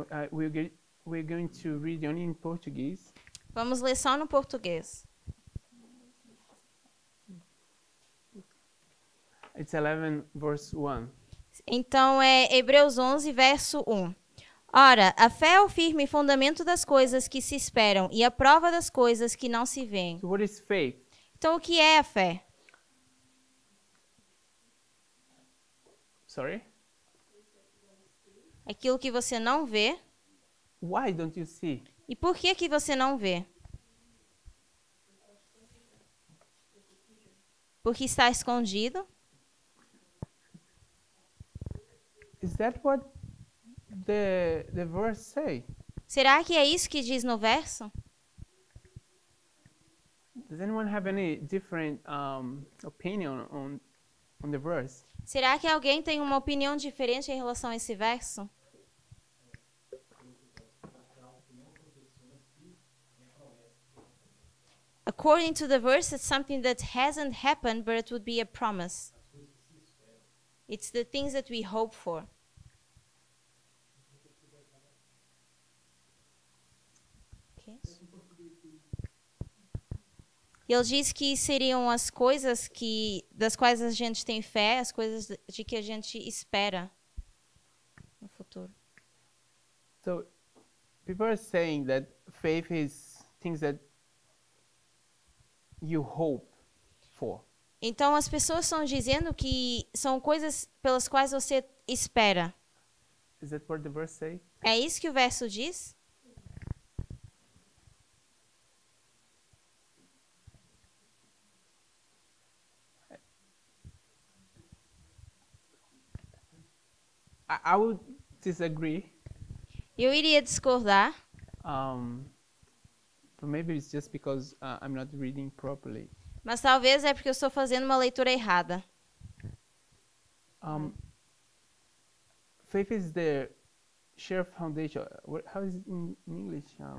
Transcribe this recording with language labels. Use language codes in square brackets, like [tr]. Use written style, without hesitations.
[en] We're going to read only in Portuguese. [pt] Vamos ler só no português. [en] It's 11, verse 1. [pt] Então é Hebreus 11, verso 1. Ora, a fé é o firme fundamento das coisas que se esperam e a prova das coisas que não se veem. [en] So what is faith? [pt] Então o que é a fé? [en] Sorry? [pt] Aquilo que você não vê. [en] Why don't you see? [pt] E por que que você não vê? Porque está escondido? [en] Is that what the verse say? [pt] Será que é isso que diz no verso? [en] Does anyone have any different opinion on the verse? [pt] Será que alguém tem uma opinião diferente em relação a esse verso? [en] According to the verse, it's something that hasn't happened, but it would be a promise. It's the things that we hope for. Okay. [pt] Ele diz que seriam as coisas que, das quais a gente tem fé, as coisas de que a gente espera no futuro. [en] So, people are saying that faith is things that you hope for. [pt] Então as pessoas estão dizendo que são coisas pelas quais você espera. [en] Is that what the verse say? [pt] É isso que o verso diz? [en] I would disagree. [pt] Eu iria discordar. [en] But maybe it's just because I'm not reading properly. [pt] Mas talvez é porque eu estou fazendo uma leitura errada. [en] Faith is the sure foundation. How is it in English?